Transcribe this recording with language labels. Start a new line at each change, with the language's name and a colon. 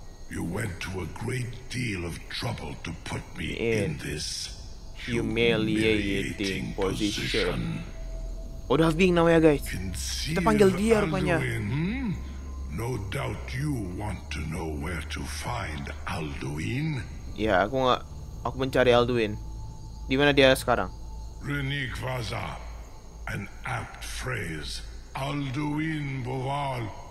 English: You went to a great deal of trouble to put me in this humiliating position.
Indonesian: Odaving namanya guys. Kita panggil dia rupanya.
English: No doubt you want to know where to find Alduin.
Indonesian: Ya, aku mencari Alduin. Di mana dia sekarang?
English: Renikvaza, an apt phrase. Alduin Boval.